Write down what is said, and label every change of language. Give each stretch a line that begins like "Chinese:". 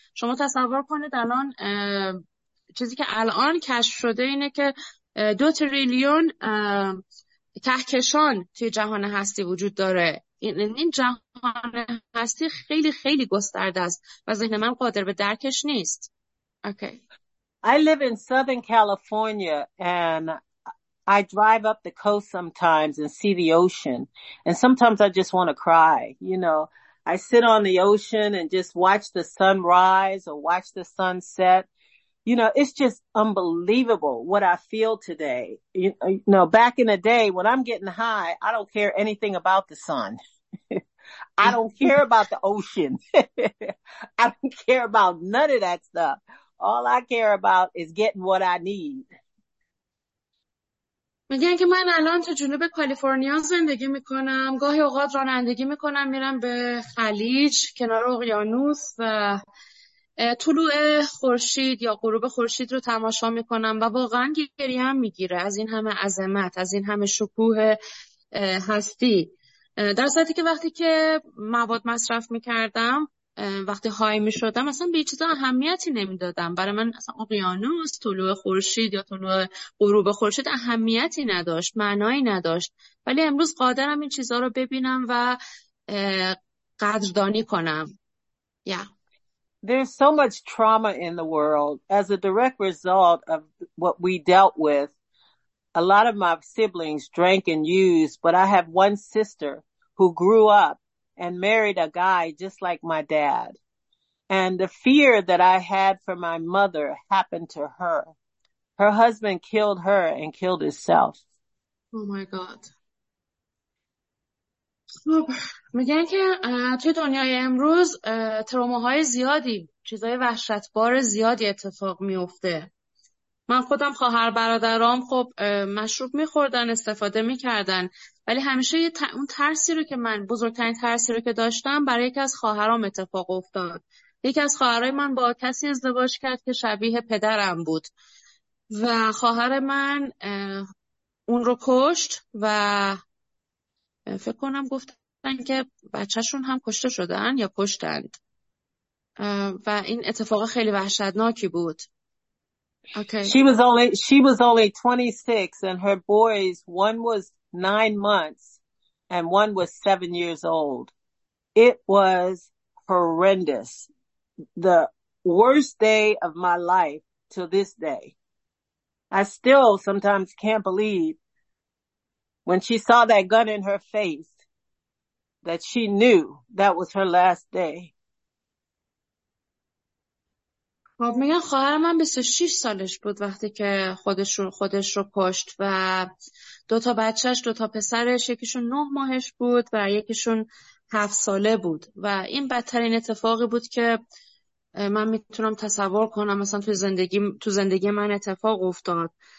Persian: شما تصور کنید الان چیزی که الان کشف شده اینه که 2 تریلیون کهکشان توی جهان هستی وجود داره. این جهان هستی خیلی خیلی گسترده است و ذهن من قادر به درکش نیست.
English: Okay. I live in Southern California and I drive up the coast sometimes and see the ocean. And sometimes I just want to cry. You know, I sit on the ocean and just watch the sun rise or watch the sun set. You know, it's just unbelievable what I feel today. You know, back in the day when I'm getting high, I don't care anything about the sun. I don't care about the ocean. I don't care about none of that stuff. All I care about is getting what I need.
Persian: میگن که من الان تو جنوب کالیفرنیا زندگی میکنم، گاهی اوقات رانندگی میکنم، میرم به خلیج کنار اقیانوس و طلوع خورشید یا غروب خورشید رو تماشا میکنم و واقعا گریم میگیره از این همه عظمت، از این همه شکوه هستی. در صورتی که وقتی که مواد مصرف میکردم، وقتی های میشدم، اصلا به چیزا اهمیتی نمیدادم. برای من اصلا اقیانوس، طلوع خورشید یا طلوع غروب خورشید اهمیتی نداشت، معنایی نداشت، ولی امروز قادرم این چیزا رو ببینم و قدردانی کنم.
English: Yeah. There's so much trauma in the world as a direct result of what we dealt with. A lot of my siblings drank and used, but I have one sister who grew up and married a guy just like my dad. And the fear that I had for my mother happened to her. Her husband killed her and killed himself. Oh my God.
Persian: خب میگن که توی دنیای امروز تروماهای زیادی، چیزای وحشتبار زیادی اتفاق میفته. من خودم، خواهر برادرام خب مشروب میخوردن، استفاده میکردن، ولی همیشه اون ترسی رو که من، بزرگترین ترسی رو که داشتم، برای یکی از خواهرام اتفاق افتاد. یکی از خواهرای من با کسی ازدواج کرد که شبیه پدرم بود و خواهر من اون رو کشت و فکر کنم گفتن که بچهشون هم کشته شدن یا کشتند و این اتفاق خیلی وحشتناکی بود.
English: Okay. She was only 26 and her boys, one was 9 months and one was 7 years old. It was horrendous. The worst day of my life to this day. I still sometimes can't believe when she saw that gun in her face that she knew that was her last day.
Persian: خب میگن خواهر من 26 سالش بود وقتی که خودش رو کشت و دوتا پسرش، یکیشون 9 ماهش بود و یکیشون 7 ساله بود و این بدترین اتفاقی بود که من میتونم تصور کنم مثلا تو زندگی من اتفاق افتاد.